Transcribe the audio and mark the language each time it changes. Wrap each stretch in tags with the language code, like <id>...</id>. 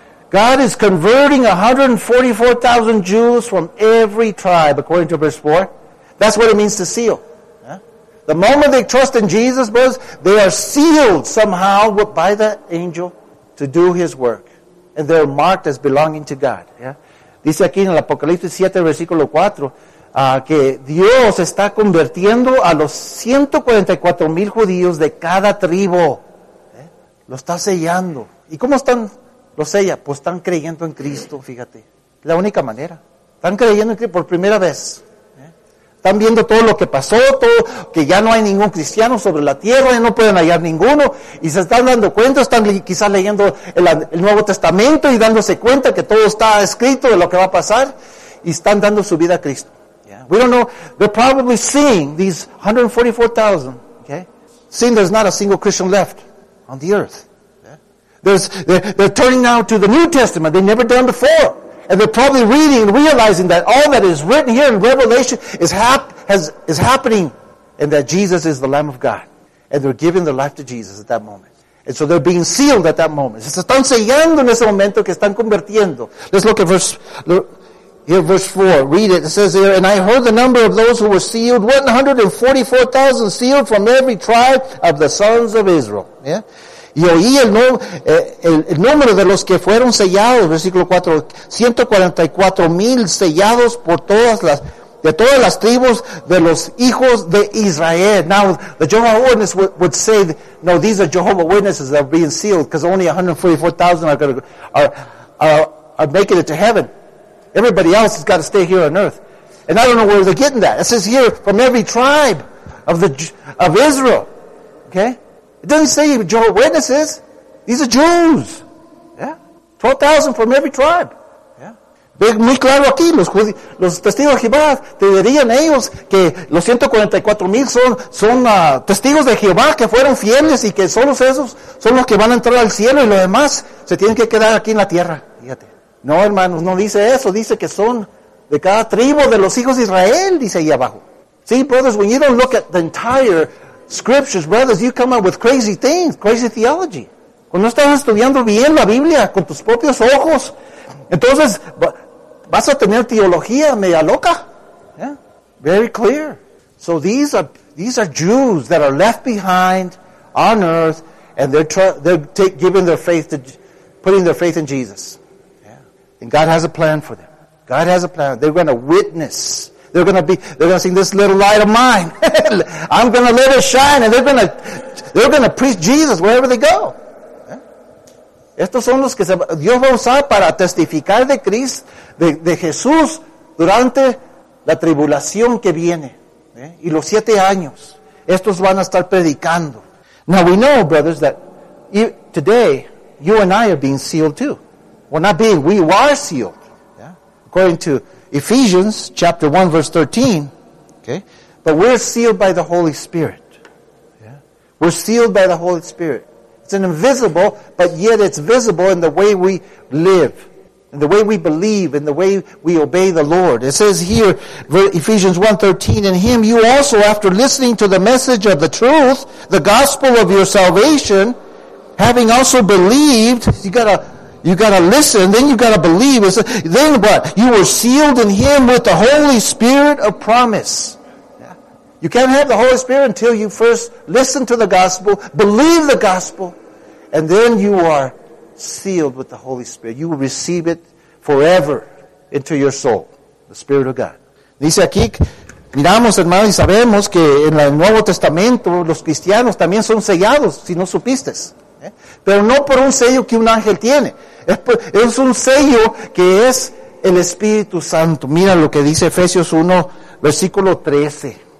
<en>God is converting 144,000 Jews from every tribe, according to verse 4. That's what it means to seal. Yeah? The moment they trust in Jesus, brothers, they are sealed somehow by the angel to do His work. And they're marked as belonging to God. Yeah?</en> <es>Dice aquí en el Apocalipsis 7, versículo 4, que Dios está convirtiendo a los 144,000 judíos de cada tribu. Lo está sellando. ¿Y cómo están? Lo sella. Pues están creyendo en Cristo, fíjate. La única manera. Están creyendo en Cristo por primera vez. Están viendo todo lo que pasó, todo, que ya no hay ningún cristiano sobre la tierra y no pueden hallar ninguno. Y se están dando cuenta, están quizás leyendo el Nuevo Testamento y dándose cuenta que todo está escrito de lo que va a pasar. Y están dando su vida a Cristo.</es> <en>Yeah. We don't know. They're probably seeing these 144,000. Okay? Seeing there's not a single Christian left on the earth. They're turning now to the New Testament. They've never done before. And they're probably reading and realizing that all that is written here in Revelation is happening, and that Jesus is the Lamb of God. And they're giving their life to Jesus at that moment. And so they're being sealed at that moment.</en> <es>Se están sellando en ese momento que están convirtiendo.</es> <en>Let's look at verse 4. Read it. It says here, and I heard the number of those who were sealed, 144,000 sealed from every tribe of the sons of Israel. Yeah?</en> <es>Y oí el número de los que fueron sellados, versículo 4, 144,000 sellados por todas las tribus de los hijos de Israel.</es> <en>Now, the Jehovah's Witnesses would say, no, these are Jehovah's Witnesses that are being sealed, because only 144,000 are making it to heaven. Everybody else has got to stay here on earth. And I don't know where they're getting that. It says here, from every tribe of Israel. Okay? It doesn't say Jehovah's Witnesses. These are Jews. Yeah? 12,000 from every tribe. Yeah?</en> <es>Muy claro aquí, los testigos de Jehová, te dirían ellos que los 144,000 son testigos de Jehová que fueron fieles y que solo esos son los que van a entrar al cielo y los demás se tienen que quedar aquí en la tierra. Fíjate. No, hermanos, no dice eso. Dice que son de cada tribu de los hijos de Israel, dice ahí abajo.</es> <en>See, brothers, when you don't look at the entire scriptures, brothers, you come up with crazy things, crazy theology.</en> <es>Cuando estás estudiando bien la Biblia con tus propios ojos, entonces vas a tener teología media loca.</es> <en>Yeah? Very clear. So these are Jews that are left behind on earth, and putting their faith in Jesus. And God has a plan for them. God has a plan. They're going to witness. They're going to sing this little light of mine. I'm going to let it shine. And they're going to preach Jesus wherever they go. Yeah?</en> <es>Estos son los que Dios va a usar para testificar de Cristo, de Jesús, durante la tribulación que viene. Yeah? Y los 7 años. Estos van a estar predicando.</es> <en>Now we know, brothers, that today you and I are being sealed too. We're not being, we are sealed. Yeah? According to Ephesians chapter 1 verse 13. Okay? But we're sealed by the Holy Spirit. We're sealed by the Holy Spirit. It's an invisible, but yet it's visible in the way we live, in the way we believe, in the way we obey the Lord. It says here, Ephesians 1:13, in Him you also, after listening to the message of the truth, the gospel of your salvation, having also believed, you gotta listen, then you gotta believe. It's, then what? You were sealed in Him with the Holy Spirit of promise. You can't have the Holy Spirit until you first listen to the gospel, believe the gospel, and then you are sealed with the Holy Spirit. You will receive it forever into your soul, the Spirit of God.</en> <es>Dice aquí, miramos hermanos y sabemos que en el Nuevo Testamento los cristianos también son sellados, si no supiste. Pero no por un sello que un ángel tiene. Es un sello que es el Espíritu Santo. Mira lo que dice Efesios 1, versículo 13.</es>